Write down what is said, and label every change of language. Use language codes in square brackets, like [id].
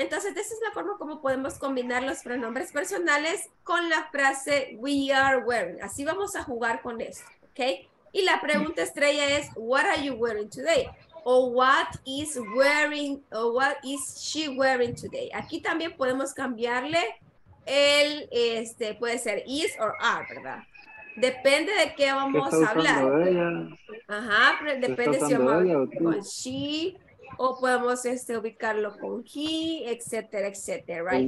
[es] Entonces, esa es la forma como podemos combinar los pronombres personales con la frase we are wearing. Así vamos a jugar con esto, okay? Y la pregunta estrella es, [en] what are you wearing today? O what is wearing, o what is she wearing today? [es] Aquí también podemos cambiarle el, este, puede ser [en] is or are, [es] ¿verdad? Depende de qué vamos a hablar. Ella. Ajá, depende si vamos a hablar con she, o podemos ubicarlo con he, etcétera, etcétera, right?